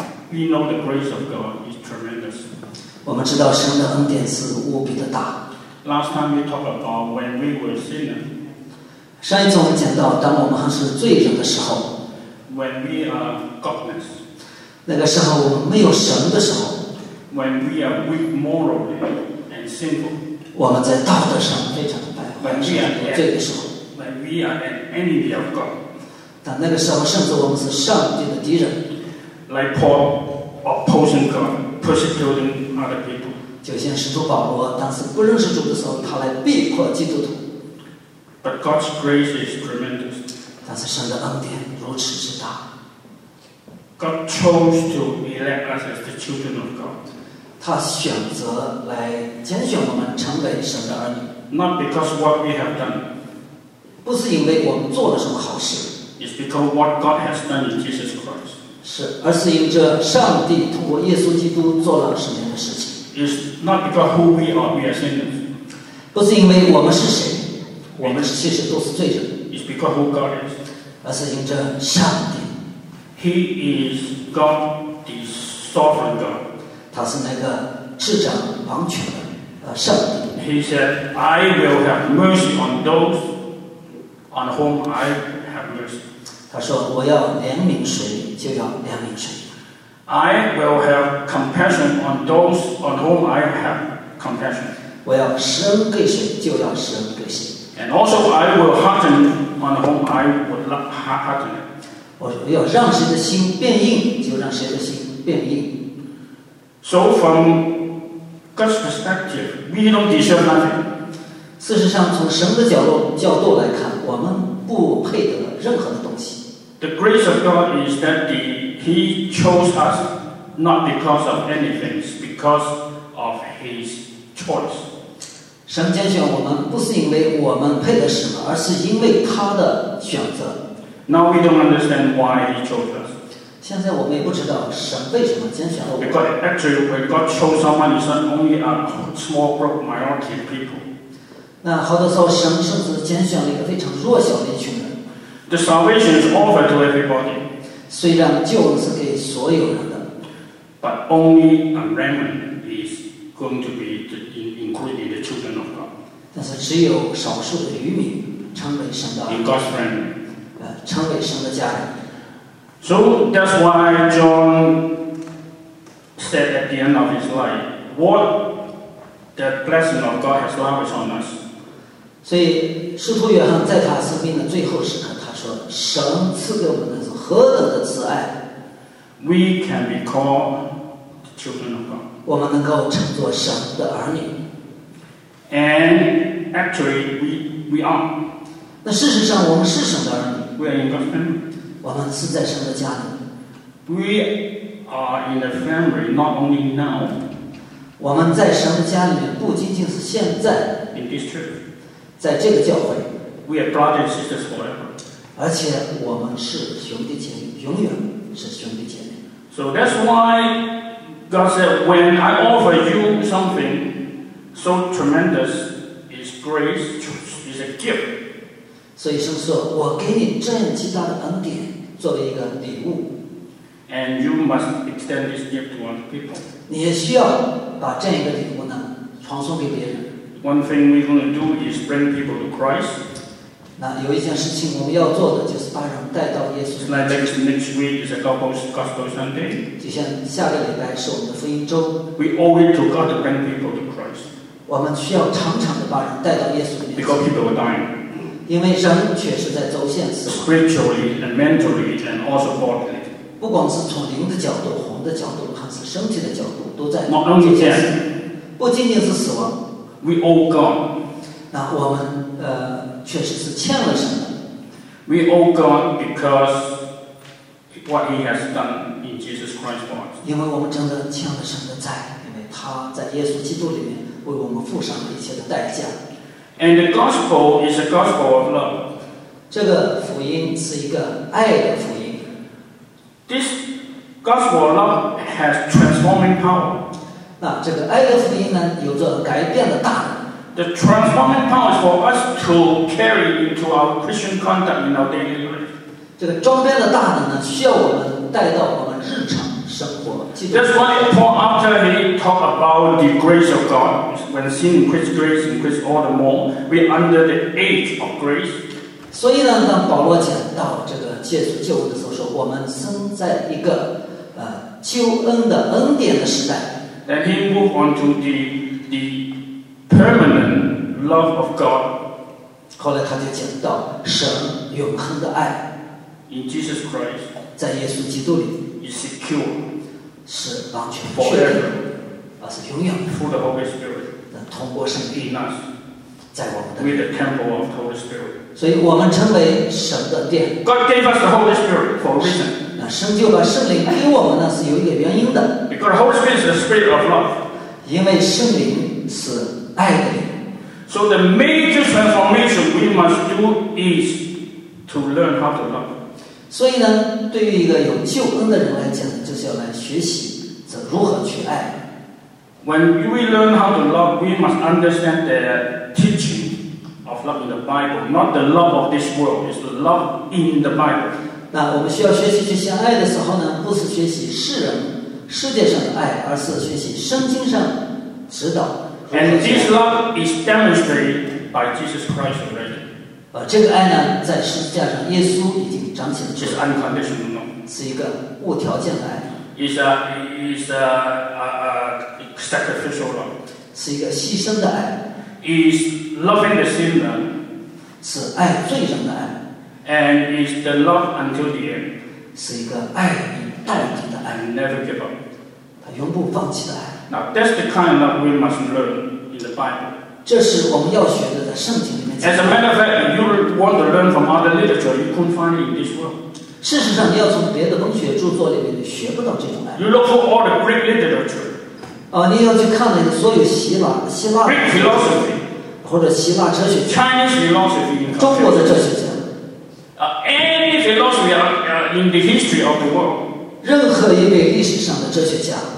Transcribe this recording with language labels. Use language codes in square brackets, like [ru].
[en] We know the grace of God is tremendous. [zh] 我们知道神的恩典是无比的大。 [en] Last time we talked about when we were sinners. [zh] 上一次我们讲到，当我们还是罪人的时候。 [en] When we are godless. [zh] 那个时候我们没有神的时候。 [en] When we are weak morally and sinful. [zh] 我们在道德上非常的败坏，是有罪的时候。 [en] When we are an enemy of God. [zh] 但那个时候甚至我们是上帝的敌人。 [en] Like Paul opposing God, persecuting other people. [zh] 就像使徒保罗当时不认识主的时候，他来逼迫基督徒。 [en] But God's grace is tremendous. [zh] 但是神的恩典如此之大。 [en] God chose to elect us as the children of God. [zh] 他选择来拣选我们成为神的儿女。 [en] Not because of what we have done. [zh] 不是因为我们做了什么好事。 [en] It's because of what God has done in Jesus Christ. [zh] 是，而是因着上帝通过耶稣基督做了什么样的事情。 [en] It's not because who we are, we are sinners. [zh] 不是因为我们是谁，我们其实都是罪人。 [en] It's because who God is. [zh] 而是因着上帝。 [en] He is God, the sovereign God. [zh] 他是那个执掌王权的上帝。 [en] He said, "I will have mercy on those on whom I have mercy." [zh] 他说我要怜悯谁就要怜悯谁。 [en] I will have compassion on those on whom I have compassion. [zh] 我要施恩给谁就要施恩给谁。 [en] And also I will harden on whom I would harden. [zh] 我要让谁的心变硬就让谁的心变硬。 [en] So from God's perspective, we don't deserve nothing. [zh] 事实上从神的角度来看，我们不配得任何的东西。 [en] The grace of God is that He chose us not because of anything, it's because of His choice. [zh] 神拣选我们不是因为我们配得什么，而是因为他的选择。 [en] Now we don't understand why He chose us. [zh] 现在我们也不知道神为什么拣选了我们。 [en] Because actually, when God chose someone, it's only a small group minority of people. [zh] 那好多时候神甚至拣选了一个非常弱小的一群人。 [en] The salvation is offered to everybody. [zh] 虽然救恩是给所有人的。 [en] But only a remnant is going to be including the children of God. [zh] 但是只有少数的渔民成为神的。 [en] In God's remnant. [zh] 成为神的家人。 [en] So that's why John said at the end of his life, what the blessing of God has lavished on us. [zh] 所以使徒约翰在他生命的最后时刻说神赐给我们的是何等的慈爱。 [en] We can be called children of God. [zh] 我们能够称作神的儿女。 [en] And actually, we are. [zh] 那事实上我们是神的儿女。 [en] We are in God's family. [zh] 我们是在神的家里。 [en] We are in the family not only now. [zh] 我们在神的家里面不仅仅是现在。 [en] In this church. [zh] 在这个教会。 [en] We are brothers and sisters forever. [zh] 而且我们是兄弟姐妹，永远是兄弟姐妹。 [en] So that's why God said, when I offer you something so tremendous, is grace, is a gift. [zh] 所以神说，我给你这样极大的恩典，作为一个礼物。 [en] And you must extend this gift to other people. [zh] 你也需要把这样一个礼物呢，传送给别人。 [en] One thing we're going to do is bring people to Christ. [zh] 那有一件事情我们要做的，就是把人带到耶稣。 [en] Like next week is a Gospel Sunday. [zh] 就像下个礼拜是我们的福音周。 [en] We owe it to God to bring people to Christ. [zh] 我们需要常常的把人带到耶稣里面。 [en] Because people are dying. [zh] 因为人确实在走线死。 [en] Spiritually and mentally and also bodily. [zh] 不管是从灵的角度、魂的角度，还是身体的角度，都在。 [en] Not only death. [zh] 不仅仅是死亡。 [en] We owe God. [zh] 那我们确实是欠了什么。 [en] We owe God because what He has done in Jesus Christ for us. [zh] 因为我们真的欠了神的债，因为他在耶稣基督里面为我们付上了一切的代价。 [en] And the gospel is a gospel of love. [zh] 这个福音是一个爱的福音。 [en] This gospel of love has transforming power. [zh] 那这个爱的福音呢，有着改变的大能。 [en] The transforming power is for us to carry into our Christian conduct in our daily life. [zh] 这个装备的大能呢，需要我们带到我们日常生活。 [en] That's why Paul after he talked about the grace of God, when sin increases, grace increases all the more. We are under the age of grace. [zh] 所以呢，当保罗讲到这个借主救恩的时候，我们生在一个救恩的恩典的时代。 [en] Then he moved on to the permanent love of God. [zh] 后来他就讲到神永恒的爱。 [en] In Jesus Christ, [zh] 在耶稣基督里 [en] is secure, [zh] 是完全 [en] forever, [zh] 而是永远 [en] through the Holy Spirit, [zh] 能通过圣灵 [en] in us, [zh] 在我们的 [en] with the temple of the Holy Spirit. [zh] 所以我们称为神的殿。 [en] God gave us the Holy Spirit for a reason. [zh] 那神就把圣灵给我们呢，是有一个原因的。 [en] Because the Holy Spirit is the Spirit of love. [zh] 因为圣灵是爱的灵。 [en] So the major transformation we must do is to learn how to love. [zh] 所以呢，对于一个有救恩的人来讲，就是要来学习怎如何去爱。 [en] When we learn how to love, we must understand the teaching of love in the Bible, not the love of this world. It's the love in the Bible. [zh] 那我们需要学习去相爱的时候呢，不是学习世界上的爱，而是学习圣经上指导。 [en] And this love is demonstrated by Jesus Christ already. [zh] 这个爱呢，在十字架上，耶稣已经彰显出来。是 unconditional，是一个无条件的爱。 [en] Is a sacrificial love， [zh] 是一个牺牲的爱。 [en] Is loving the sinner， [zh] 是爱罪人的爱。 [en] And is the love until the end， [zh] 是一个爱与到底的爱。 [en] Never give up， [zh] 他永不放弃的爱。 [en] Now that's the kind of love we must learn in the Bible。 [zh] 这是我们要学的，在圣经里面讲。 [en] As a matter of fact, if you want to learn from other literature, you couldn't find it in this world. [zh] 事实上，你要从别的文学著作里面，你学不到这种爱。 [en] You look for all the Greek literature. [zh] 你要去看了所有希腊 [en] Greek philosophy, [zh] 或者希腊哲学 [en] Chinese philosophy, [zh] 中国的哲学家 [en] any philosophy in the history of the world. [zh] 任何一位历史上的哲学家